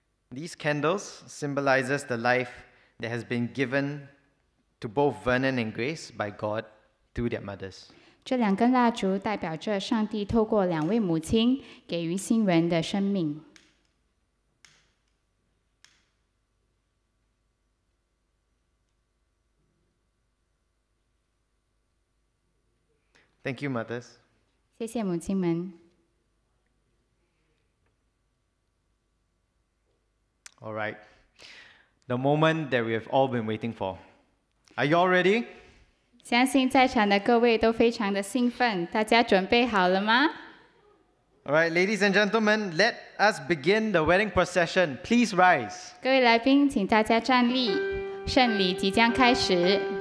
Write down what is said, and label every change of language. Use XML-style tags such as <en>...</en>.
<en>These candles symbolizes the life that has been given to both Vernon and Grace by God through their mothers.</en> <zh>这两根蜡烛代表着上帝透过两位母亲给予新人的生命。</zh> <en>Thank you, mothers.</en> <zh>谢谢母亲们。</zh> <en>All right, the moment that we have all been waiting for. Are you all ready?</en> <zh>相信在场的各位都非常的兴奋，大家准备好了吗？</zh> <en>All right, ladies and gentlemen, let us begin the wedding procession. Please rise.</en> <zh>各位来宾，请大家站立。圣礼即将开始。</zh>